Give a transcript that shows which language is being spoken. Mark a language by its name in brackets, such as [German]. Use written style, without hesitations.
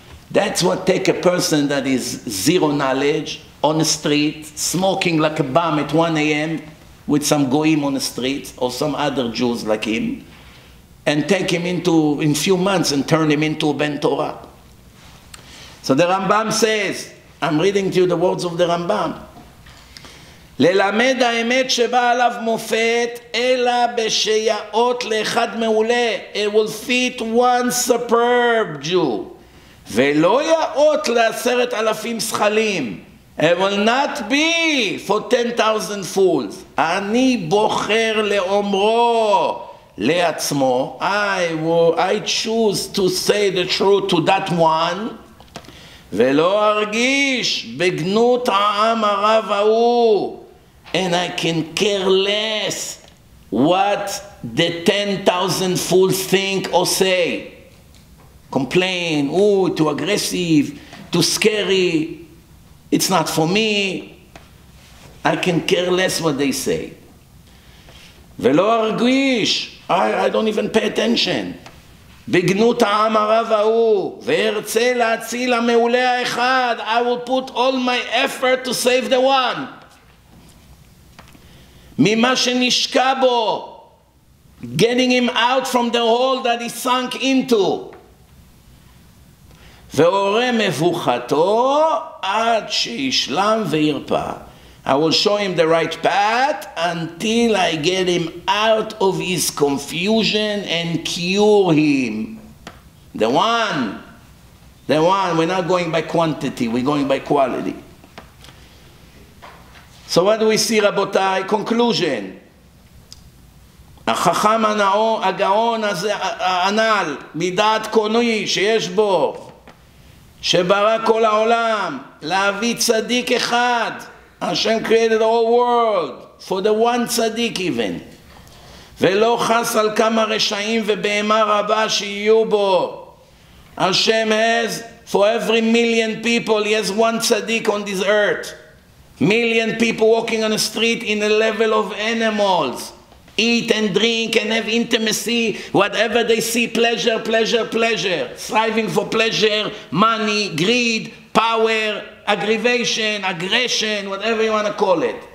[English] That's what take a person that is zero knowledge on the street, smoking like a bum at 1 a.m. with some goyim on the street, or some other Jews like him, and take him into, in few months, and turn him into a Ben Torah. So the Rambam says, I'm reading to you the words of the Rambam, [Hebrew] ללמד האמת שבא עליו מופת, אלא בשיעות לאחד מעולה, [English] it will fit one superb Jew, [Hebrew] ולא יעות לעשרת אלפים שחלים, [English] it will not be for 10,000 fools. [Hebrew] אני בוחר לאומרו לעצמו. [English] I choose to say the truth to that one. [Hebrew] ולא ארגיש בגנות העם הרב ההוא, [English] and I can care less what the 10,000 fools think or say. Complain, ooh, too aggressive, too scary, it's not for me. I can care less what they say. [Hebrew] ולא ארגיש, [English] I don't even pay attention. [Hebrew] בגנות העם הרב ההוא, וארצה להציל המעולה האחד, [English] I will put all my effort to save the one. [Hebrew] ממה שנשקע בו, [English] getting him out from the hole that he sunk into. [Hebrew] והורה מבוכתו עד שישלם וירפא. [English] I will show him the right path until I get him out of his confusion and cure him. The one, we're not going by quantity, we're going by quality. So what do we see, Rabotai? Conclusion. [Hebrew] החכם הגאון הזה, הנעל, מידת קונוי שיש בו, שברא כל העולם, להביא צדיק אחד, [English] Hashem created the whole world for the one tzaddik even. [Hebrew] ולא חס על כמה רשעים ובהמה רבה שיהיו בו. [English] Hashem has, for every million people, he has one tzaddik on this earth. Million people walking on the street in a level of animals. Eat and drink and have intimacy, whatever they see, pleasure. Striving for pleasure, money, greed, power, aggression, whatever you want to call it.